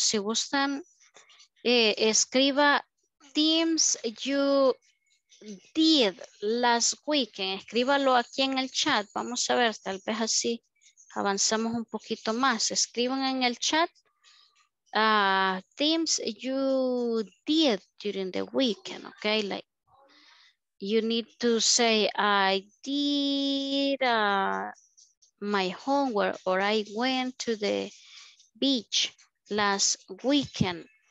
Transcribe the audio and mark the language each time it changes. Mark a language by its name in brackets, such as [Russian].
[Spanish] Si gustan, escriba [English] teams you did last week. [Spanish] Escríbalo aquí en el chat. Vamos a ver, tal vez así avanzamos un poquito más. Escriban en el chat [English] teams you did during the weekend. Okay, like you need to say I did my homework, or I went to the beach last weekend.